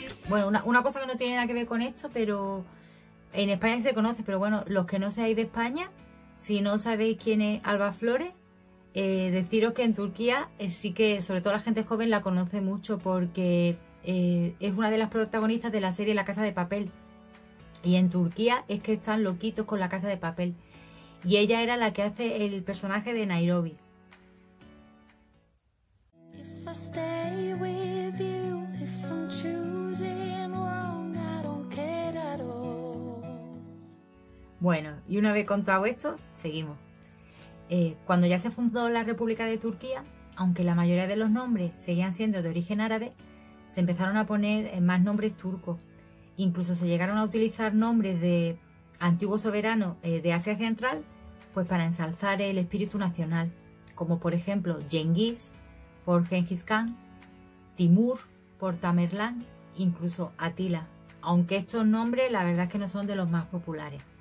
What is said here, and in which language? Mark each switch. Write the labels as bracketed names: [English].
[Spanish] Bueno, una cosa que no tiene nada que ver con esto, pero en España se conoce, pero bueno, los que no seáis de España, si no sabéis quién es Alba Flores, deciros que en Turquía sí que, sobre todo la gente joven, la conoce mucho, porque es una de las protagonistas de la serie La Casa de Papel. Y en Turquía es que están loquitos con La Casa de Papel. Y ella era la que hace el personaje de Nairobi. [English] If I stay with you, if I'm choosing wrong, I don't care at all. [Spanish] Bueno, y una vez contado esto, seguimos. Cuando ya se fundó la República de Turquía, aunque la mayoría de los nombres seguían siendo de origen árabe, se empezaron a poner más nombres turcos. Incluso se llegaron a utilizar nombres de antiguos soberanos de Asia Central, pues para ensalzar el espíritu nacional, como por ejemplo Genghis por Genghis Khan, Timur por Tamerlán, incluso Atila, aunque estos nombres la verdad es que no son de los más populares.